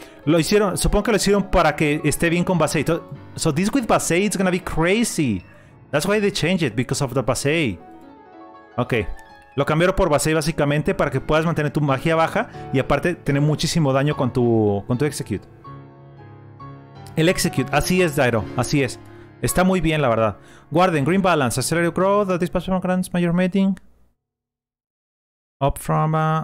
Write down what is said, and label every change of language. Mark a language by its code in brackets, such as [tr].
[es] Lo hicieron, supongo que lo hicieron para que esté bien con Basei. [en] So this with Basei is gonna be crazy. That's why they changed it, because of the Basei. Ok. [es] Lo cambiaron por Basei básicamente para que puedas mantener tu magia baja y aparte tener muchísimo daño con tu Execute. El Execute, así es, Dairo, así es. Está muy bien, la verdad. Guarden, Green Balance, Accelerate Growth, Dispatch from Grants, Major Mating. Up from.